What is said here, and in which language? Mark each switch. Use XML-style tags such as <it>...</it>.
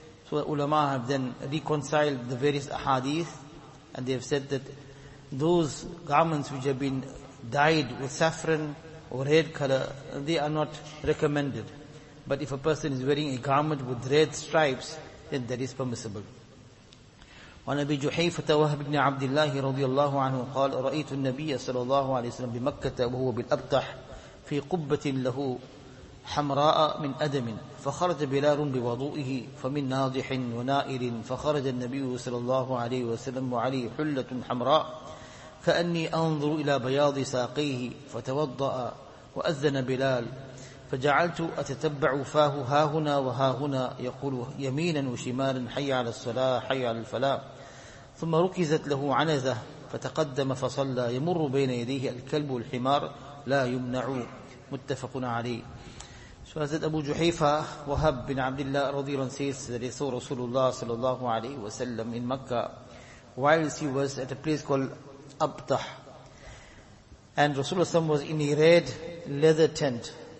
<en>So the ulama have then reconciled the various ahadith, and they have said that those garments which have been dyed with saffron or red color, they are not recommended. But if a person is wearing a garment with red stripes, then that is permissible.</en> <ar>وعن أبي جحيفة وهب بن عبد الله رضي الله عنه قال رأيت النبي صلى الله عليه وسلم بمكة وهو بالأبطح في قبة له حمراء من أدم، فخرج بلال بوضوئه فمن ناضح ونائل، فخرج النبي صلى الله عليه وسلم وعليه حلة حمراء كأني أنظر إلى بياض ساقيه، فتوضأ وأذن بلال فجعلت أتتبع فاه هاهنا وهاهنا يقول يمينا وشمالا حي على الصلاة حي على الفلاح، ثم ركزت له عنزة فتقدم فصلى يمر بين يديه الكلب والحمار لا يمنع. متفق عليه.</ar> <en>So Hazrat Abu Juhayfa Wahab bin Abdullah radiallahu anhu says that he saw Rasulullah sallallahu alayhi wa sallam in Mecca whilst he was at a place called Abtah, and Rasulullah was in a red leather tent.</en>